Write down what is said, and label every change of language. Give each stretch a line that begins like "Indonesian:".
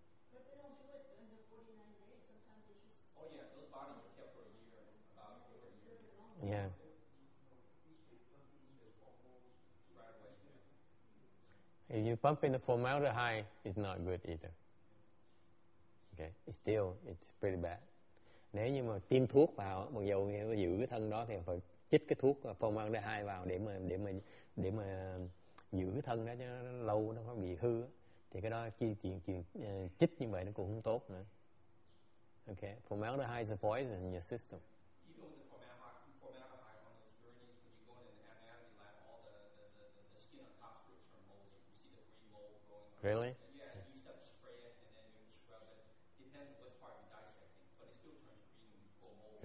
English: But they don't do it in the 49 days. Sometimes they just... Oh, yeah. Those bodies are kept for a year. About over a year. Yeah. Right away. Yeah. If you pump in the formaldehyde, it's not good either. Okay. It's pretty bad.
Vietnamese: Nếu như mà tiêm thuốc vào, mặc dù giữ cái thân đó, thì phải chích cái thuốc formaldehyde vào để mà giữ cái thân đó cho nó lâu, nó không bị hư. Thì cái đó chích như vậy nó cũng không tốt nữa.
English: Okay, formaldehyde is a poison in your system. You go with the formaldehyde on those journeys when you go in an anatomy lab, all the skin on top strips are moldy. You see the green mold growing. Really? Yeah, you start to spray it and then you scrub it. Depends on which part you're dissecting, but it still turns green when you pull mold.